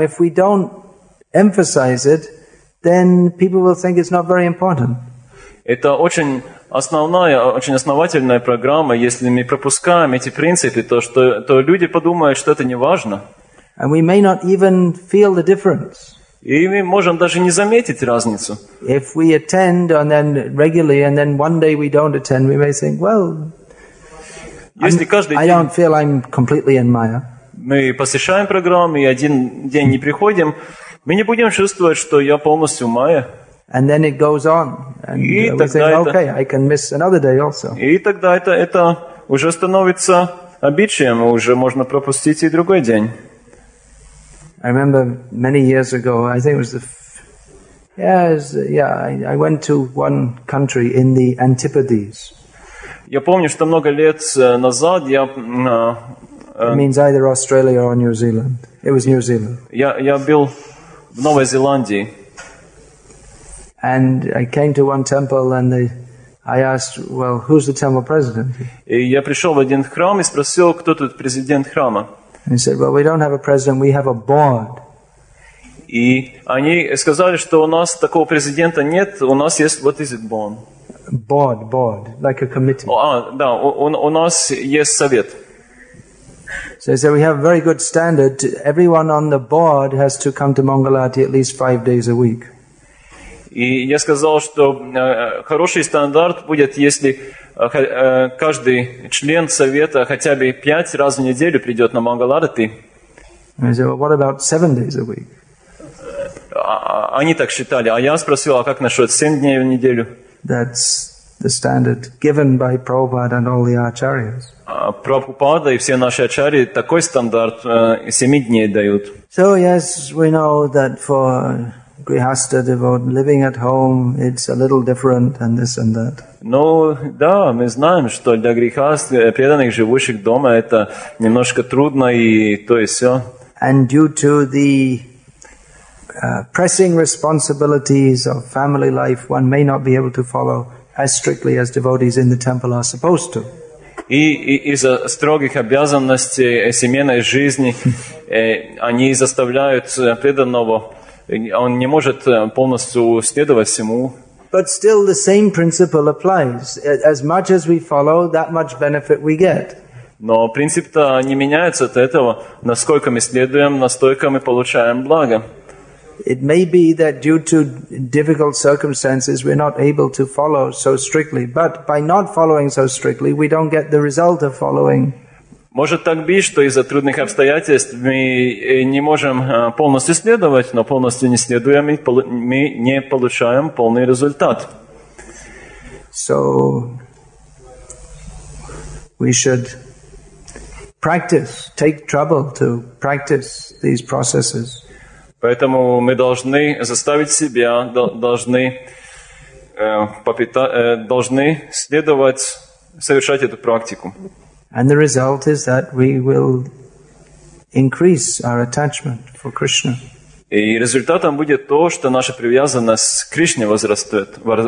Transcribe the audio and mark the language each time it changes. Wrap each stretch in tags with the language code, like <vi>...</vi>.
<en>If we don't emphasize it, then people will think it's not very important.</en> <ru>Это очень основная, очень основательная программа, если мы пропускаем эти принципы, то люди подумают, что это не важно.</ru> <en>And we may not even feel the difference.</en> <ru>И мы можем даже не заметить разницу.</ru> <en>If we attend and then regularly, and then one day we don't attend, we may think, well, I don't feel I'm completely in Maya.</en> <ru>Мы посещаем программу и один день не приходим, мы не будем чувствовать, что я полностью в Майе.</ru> <en>And then it goes on, and we say, "Okay, I can miss another day also."</en> <ru>И тогда это уже становится обычаем, уже можно пропустить и другой день.</ru> <en>I remember many years ago. I think it was I went to one country in the Antipodes.</en> <ru>Я помню, что много лет назад я.</ru> <en>It means either Australia or New Zealand. It was New Zealand.</en> <ru>Я был в Новой Зеландии.</ru> <en>And I came to one temple and I asked, well, who's the temple president?</en> <ru>И я пришёл в один храм и спросил, кто тут президент храма.</ru> <en>And he said, well, we don't have a president, we have a board.</en> <ru>И они сказали, что у нас такого президента нет, у нас есть,</ru> <en>what is it, board? Board, like a committee.</en> <ru>Да, у нас есть совет.</ru> <en>So he said, we have a very good standard. Everyone on the board has to come to Mangala Arati at least 5 days a week.</en> <ru>И я сказал, что хороший стандарт будет, если каждый член совета хотя бы 5 раз в неделю придет на Mangala Arati.</ru> <en>I said, well, what about 7 days a week?</en> <ru>Они так считали, а я спросил, а как насчет 7 дней в неделю?</ru> <en>That's the standard given by Prabhupada and all the acharyas.</en> <ru>Прабхупада и все наши ачарьи такой стандарт 7 дней дают.</ru> <en>So yes, we know that for Grihastha devotee living at home, it's a little different, and this and that.</en> <ru>Ну да, мы знаем, что для грихаст преданных живущих дома это немножко трудно и то и все.</ru> <en>And due to the pressing responsibilities of family life, one may not be able to follow as strictly as devotees in the temple are supposed to.</en> <ru>И из-за строгих обязанностей семейной жизни они заставляют преданного. Он не может полностью следовать всему.</ru> <en>But still the same principle applies. As much as we follow, that much benefit we get.</en> <ru>Но принцип-то не меняется от этого. Насколько мы следуем, настолько мы получаем благо.</ru> <en>It may be that due to difficult circumstances, we're not able to follow so strictly. But by not following so strictly, we don't get the result of following.</en> <ru>Может так быть, что из-за трудных обстоятельств мы не можем полностью следовать, но полностью не следуем, мы не получаем полный результат.</ru> <en>So we should practice, take trouble to practice these processes.</en> <ru>Поэтому мы должны заставить себя, должны следовать, совершать эту практику.</ru> <en>And the result is that we will increase our attachment for Krishna.</en> <ru>И результатом будет то, что наша привязанность к Кришне возрастет.</ru>